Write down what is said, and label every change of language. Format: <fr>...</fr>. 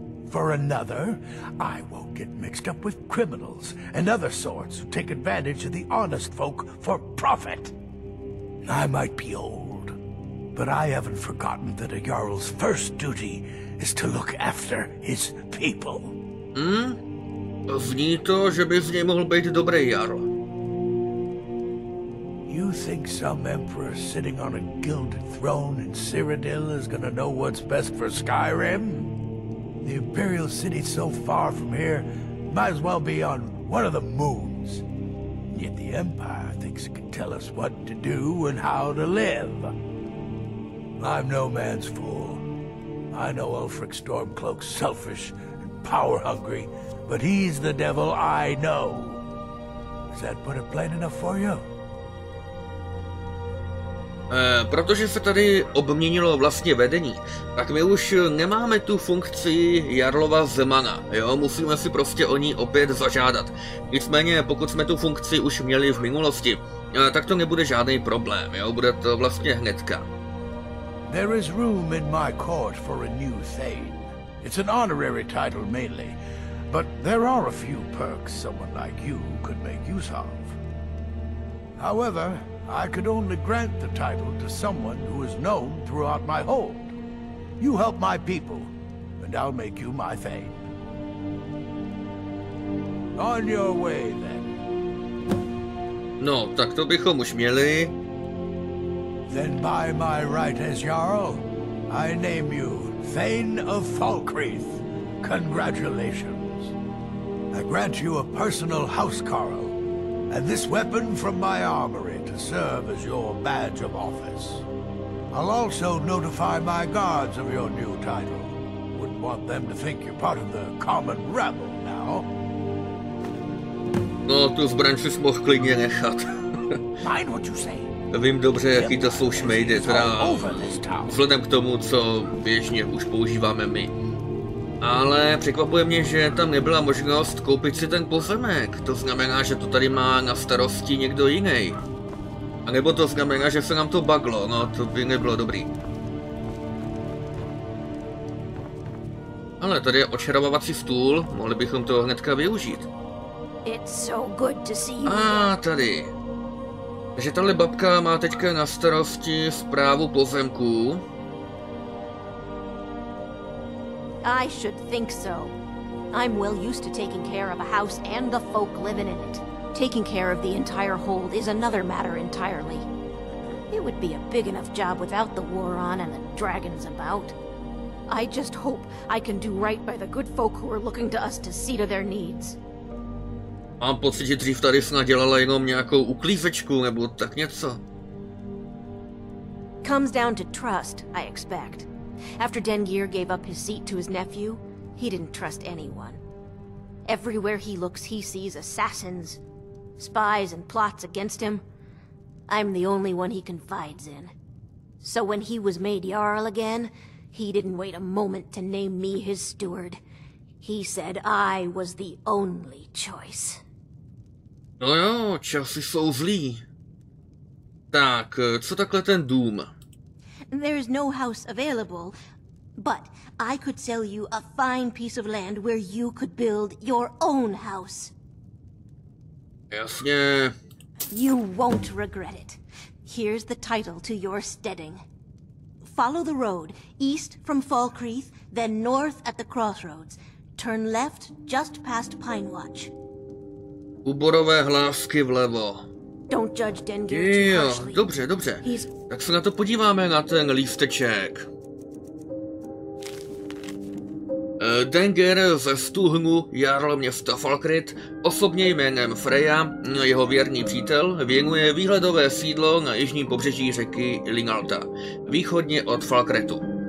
<en>For another, I won't get mixed up with criminals and other sorts who take advantage of the honest folk for profit. I might be old, but I haven't forgotten that a Jarl's first duty is to look after his people.</en> <cs>Zní to, že bys něj mohl být dobrý Jarl.</cs> <en>You think some emperor sitting on a gilded throne in Cyrodiil is gonna know what's best for Skyrim? The Imperial City's so far from here, might as well be on one of the moons. Yet the Empire thinks it can tell us what to do and how to live. I'm no man's fool. I know Ulfric Stormcloak's selfish and power-hungry, but he's the devil I know. Does that put it plain enough for you?</en> <cs>Protože se tady obměnilo vlastně vedení, tak my už nemáme tu funkci Jarlova Zemana, jo, musíme si prostě o ní opět zažádat. Nicméně, pokud jsme tu funkci už měli v minulosti, tak to nebude žádný problém, jo, bude to vlastně hnedka.</cs> <en>There is room in my court for a new thane. It's an honorary title mainly, but there are a few perks someone like you could make use of. However, I could only grant the title to someone who is known throughout my hold. You help my people, and I'll make you my thane. On your way, then.</en> <cs>No, tak to bychom už měli.</cs> <en>Then by my right as Jarl, I name you Thane of Falkreath. Congratulations. I grant you a personal housecarl, and this weapon from my armory to serve as your badge of office. I'll also notify my guards of your new title. Wouldn't want them to think you're part of the common rabble now.</en> <cs>No, tu zbraň si mohl klidně nechat.</cs> <en>Mind what you say.</en> <cs>Vím dobře, jaký to jsou šmejdy, teda vzhledem k tomu, co běžně už používáme my. Ale překvapuje mě, že tam nebyla možnost koupit si ten pozemek. To znamená, že to tady má na starosti někdo jiný. A nebo to znamená, že se nám to baglo, no to by nebylo dobrý. Ale tady je očarovací stůl, mohli bychom to hnedka využít. A tady. Takže tahle babka má teďka na starosti správu pozemků.</cs> <en>I should think so. I'm well used to taking care of a house and the folk living in it. Taking care of the entire hold is another matter entirely. It would be a big enough job without the war on and the dragons about. I just hope I can do right by the good folk who are looking to us to see to their needs.</en> <cs>Mám pocit, že dřív tady snad dělala jenom nějakou uklízečku nebo tak něco.</cs> <en>Comes down to trust, I expect. After Dengir gave up his seat to his nephew, he didn't trust anyone. Everywhere he looks, he sees assassins, spies and plots against him. I'm the only one he confides in. So when he was made Jarl again, he didn't wait a moment to name me his steward. He said I was the only choice.</en> <cs>No jo, časy jsou zlý. Tak, co takhle ten dům?</cs> <en>There's no house available, but I could sell you a fine piece of land where you could build your own house.</en> <cs>Jasně.</cs> <en>You won't regret it. Here's the title to your steading. Follow the road, east from Falkreath, then north at the crossroads. Turn left, just past Pinewatch.</en> <cs>Uborové hlásky vlevo.</cs> <en>Don't judge Dengir too harshly.</en> <cs>Dobře, dobře. Tak se na to podíváme, na ten lísteček. Dengir ze Stuhnu, Jarl města Falkreath, osobně jménem Freya, jeho věrný přítel, věnuje výhledové sídlo na jižním pobřeží řeky Linalta, východně od Falkreathu.</cs>